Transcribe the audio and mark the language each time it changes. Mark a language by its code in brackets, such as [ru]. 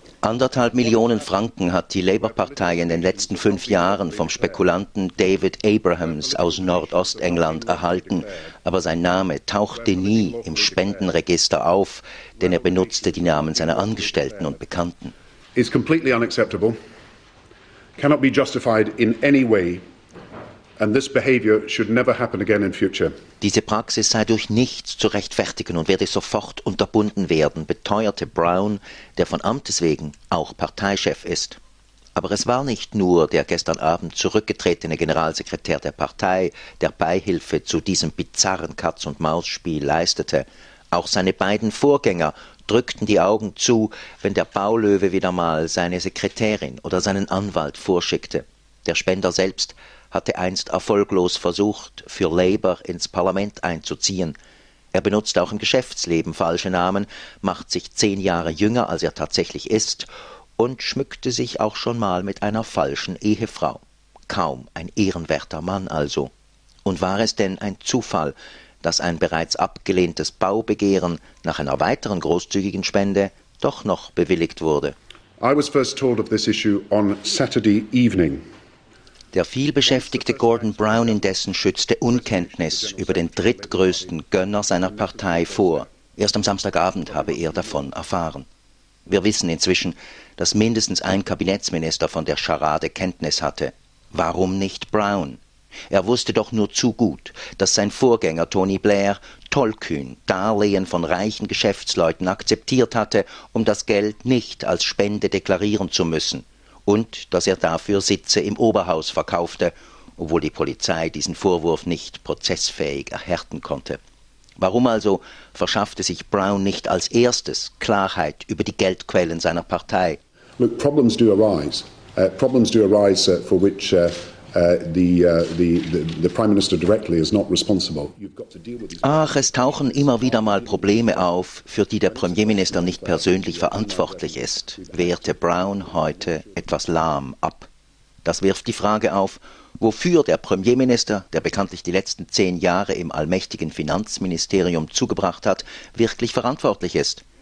[de] 1,5 Millionen Franken hat die Labour-Partei in den letzten 5 Jahren vom Spekulanten David Abrahams aus Nordostengland erhalten. Aber sein Name tauchte nie im Spendenregister auf, denn er benutzte die Namen seiner Angestellten und Bekannten. [en] Is completely unacceptable, cannot be justified in any way, and this behavior should never happen again in future. [de] Diese Praxis sei durch nichts zu rechtfertigen und werde sofort unterbunden werden, beteuerte Brown, der von Amtes wegen auch Parteichef ist. Aber es war nicht nur der gestern Abend zurückgetretene Generalsekretär der Partei, der Beihilfe zu diesem bizarren Katz-und-Maus-Spiel leistete. Auch seine beiden Vorgänger drückten die Augen zu, wenn der Baulöwe wieder mal seine Sekretärin oder seinen Anwalt vorschickte. Der Spender selbst hatte einst erfolglos versucht, für Labour ins Parlament einzuziehen. Er benutzt auch im Geschäftsleben falsche Namen, macht sich 10 Jahre jünger, als er tatsächlich ist, und schmückte sich auch schon mal mit einer falschen Ehefrau. Kaum ein ehrenwerter Mann also. Und war es denn ein Zufall, dass ein bereits abgelehntes Baubegehren nach einer weiteren großzügigen Spende doch noch bewilligt wurde? [en] I was first told of this issue on Saturday evening. [de] Der vielbeschäftigte Gordon Brown indessen schützte Unkenntnis über den drittgrößten Gönner seiner Partei vor. Erst am Samstagabend habe er davon erfahren. Wir wissen inzwischen, dass mindestens ein Kabinettsminister von der Scharade Kenntnis hatte. Warum nicht Brown? Er wusste doch nur zu gut, dass sein Vorgänger Tony Blair tollkühn Darlehen von reichen Geschäftsleuten akzeptiert hatte, um das Geld nicht als Spende deklarieren zu müssen. Und dass er dafür Sitze im Oberhaus verkaufte, obwohl die Polizei diesen Vorwurf nicht prozessfähig erhärten konnte. Warum also verschaffte sich Brown nicht als erstes Klarheit über die Geldquellen seiner Partei? [en] Look, problems do arise. Problems do arise for which the Prime Minister directly is not responsible. [de] Ach, es tauchen immer wieder mal Probleme auf, für die der Premierminister nicht persönlich verantwortlich ist, wehrte Brown heute etwas lahm ab. Das wirft die Frage auf, wofür der Premierminister, der bekanntlich die letzten 10 Jahre im allmächtigen Finanzministerium zugebracht hat, wirklich verantwortlich ist.